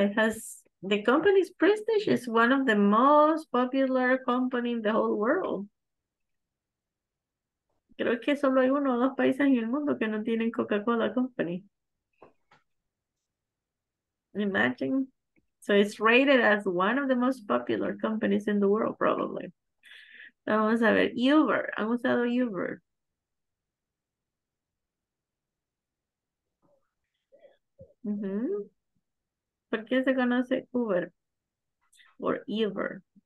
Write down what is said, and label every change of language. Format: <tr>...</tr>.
<en>It has, the company's prestige is one of the most popular company in the whole world.</en> <es>Creo que solo hay uno o dos países en el mundo que no tienen Coca-Cola Company.</es> <en>Imagine. So it's rated as one of the most popular companies in the world, probably.</en> <es>Vamos a ver, Uber. ¿Han usado Uber? ¿Por qué se conoce Uber? Or Uber.</es>